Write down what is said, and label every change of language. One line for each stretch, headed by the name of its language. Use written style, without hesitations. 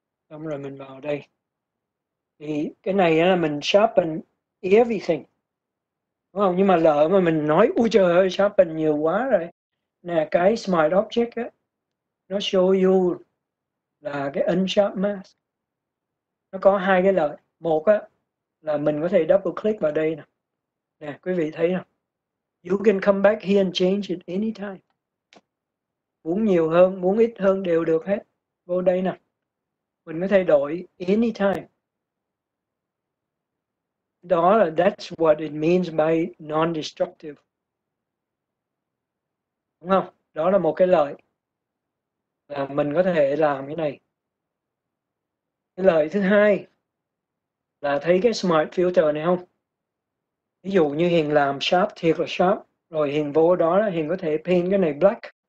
Vietnamese: Xong rồi mình vào đây. Thì cái này là mình sharpen everything. Đúng không? Nhưng mà lỡ mà mình nói ui trời ơi sharpen nhiều quá rồi. Nè cái smart object á, nó show you là cái unsharp mask. Nó có hai cái lợi. Một á, là mình có thể double click vào đây nè. Nè quý vị thấy nè.
English: You can come back here and change it anytime.
Vietnamese: Muốn nhiều hơn, muốn ít hơn đều được hết. Vô đây nè. Mình có thể đổi anytime. Đó là
English: that's what it means by non-destructive.
Vietnamese: Đúng không? Đó là một cái lợi. Là mình có thể làm cái này. Cái lợi thứ hai là thấy cái smart filter này không? Ví dụ như Hiền làm sharp thiệt là sharp. Rồi Hiền vô đó là Hiền có thể paint cái này black.